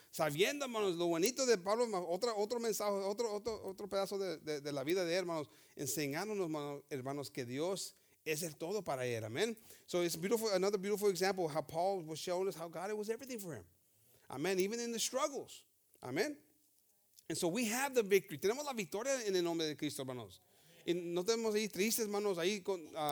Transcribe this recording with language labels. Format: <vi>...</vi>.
<es>Sabiendo, hermanos, lo bonito de Pablo, otro mensaje, otro pedazo de la vida de él, hermanos. Enseñándonos, hermanos, que Dios es el todo para él. Amen.</es> <en>So it's beautiful, another beautiful example of how Paul was showing us how God was everything for him. Amen. Even in the struggles. Amen. And so we have the victory.</en> <es>Tenemos la victoria en el nombre de Cristo, hermanos. Y no tenemos ahí tristes, hermanos, ahí con...</es>